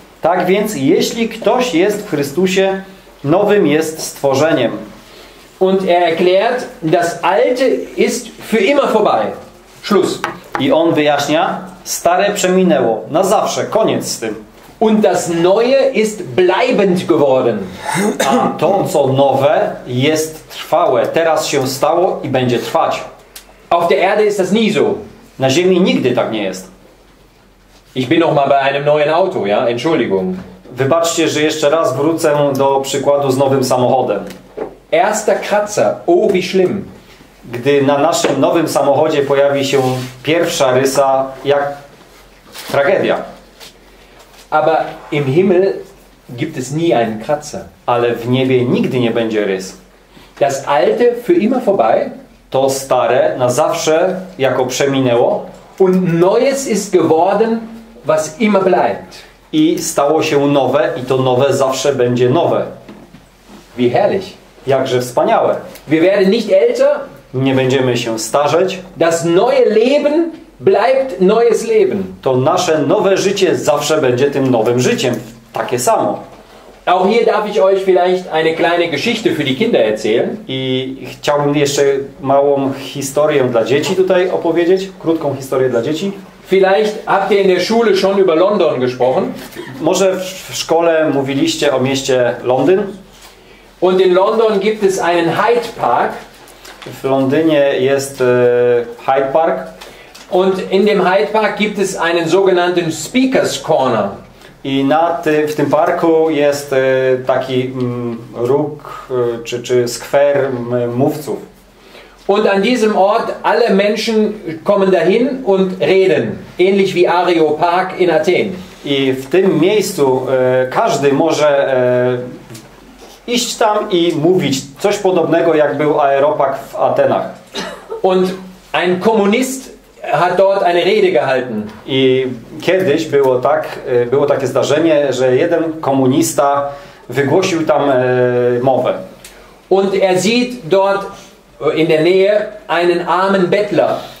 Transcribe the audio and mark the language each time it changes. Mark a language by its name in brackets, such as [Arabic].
[Polish] Tak więc, jeśli ktoś jest w Chrystusie, nowym jest stworzeniem. [German] Und er erklärt, das Alte ist für immer vorbei. Schluss. [Polish] I on wyjaśnia, stare przeminęło, na zawsze, koniec z tym. [German] Und das Neue ist bleibend geworden. [Polish] A to, co nowe, jest trwałe. Teraz się stało i będzie trwać. [German] Auf der Erde ist das nie so. [Polish] Na ziemi nigdy tak nie jest. [German] Ich bin noch mal bei einem neuen Auto, ja? Entschuldigung. [Polish] Wybaczcie, że jeszcze raz wrócę do przykładu z nowym samochodem. [German] Erster Kratzer, o wie schlimm. [Polish] Gdy na naszym nowym samochodzie pojawi się pierwsza rysa, jak tragedia. [German] Aber im Himmel gibt es nie einen Kratzer. [Polish] Ale w niebie nigdy nie będzie rys. [German] Das Alte für immer vorbei. [Polish] To stare na zawsze jako przeminęło. [German] Und Neues ist geworden, was immer bleibt. [Polish] I stało się nowe i to nowe zawsze będzie nowe. [German] Wie herrlich. [Polish] Jakże wspaniałe. [German] Wir werden nicht älter. [Polish] Nie będziemy się starzeć. [German] Das neue Leben bleibt neues Leben. [Polish] To nasze nowe życie zawsze będzie tym nowym życiem. Takie samo. [German] Auch hier darf ich euch vielleicht eine kleine Geschichte für die Kinder erzählen. [Polish] I chciałbym jeszcze małą historię dla dzieci tutaj opowiedzieć. Krótką historię dla dzieci. [German] Vielleicht habt ihr in der Schule schon über London gesprochen. [Polish] Może w szkole mówiliście o mieście Londyn. [German] Und in London gibt es einen Hyde Park. [Polish] W Londynie jest Hyde Park. [German] Und in dem Hyde Park gibt es einen sogenannten Speaker's Corner. [Polish] I na tym, w tym parku jest taki róg czy skwer mówców. [German] Und an diesem Ort alle Menschen kommen dahin und reden, ähnlich wie Areo Park in Athen. [Polish] I w tym miejscu każdy może iść tam i mówić coś podobnego jak był Aeropark w Atenach. [German] Und ein Kommunist hat dort eine Rede gehalten. [Polish] I kiedyś było tak, było takie zdarzenie, że jeden komunista wygłosił tam mowę. [German] Und er sieht dort in der Nähe einen armen Bettler.